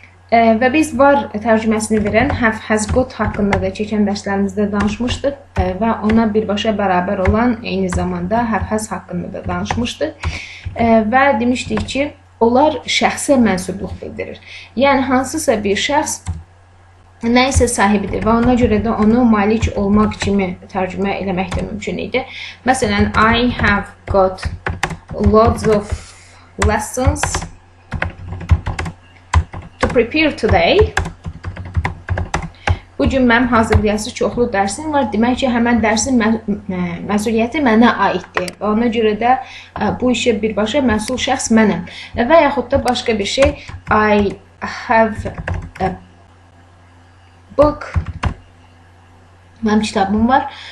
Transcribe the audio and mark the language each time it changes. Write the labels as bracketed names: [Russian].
[Azerbaijani] Və biz var tərcüməsini verən have, has, got haqqında da keçən dərslərimizdə danışmışdıq və ona birbaşa bərabər olan eyni zamanda have, has haqqında da danışmışdıq. Və demişdik ki, onlar şəxsə mənsubluq bildirir. Yəni, hansısa bir şəxs nə isə sahibidir və ona görə də onu malik olmaq kimi tərcümə eləmək də mümkün idi. [English] Məsələn, I have got lots of lessons to prepare today. [Azerbaijani] Bugün mənim hazırlayası çoxlu dərsim var. Demək ki, həmən dərsin məsuliyyəti mənə aiddir. Və ona görə də bu işə birbaşa məsul şəxs mənəm. Və yaxud da başqa bir şey. [English] I have a book. [Azerbaijani] Mənim kitabım var.